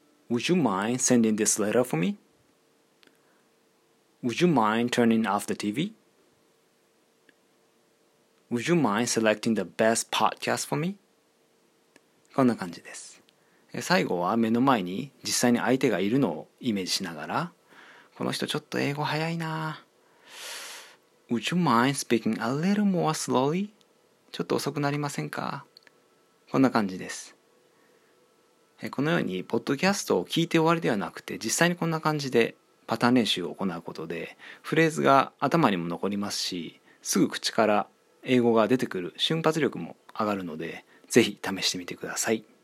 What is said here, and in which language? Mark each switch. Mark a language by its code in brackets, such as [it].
[en] Would you mind sending this letter for me? Would you mind turning off the TV? Would you mind selecting the best podcast for me? [ja] こんな感じです。最後は目の前に実際に相手がいるのをイメージしながら、この人ちょっと英語早いな。 [en] Would you mind speaking a little more slowly? [ja] ちょっと遅くなりませんか？こんな感じです。このように、ポッドキャストを聞いて終わりではなくて、実際にこんな感じでパターン練習を行うことで、フレーズが頭にも残りますし、すぐ口から英語が出てくる瞬発力も上がるので、ぜひ試してみてください。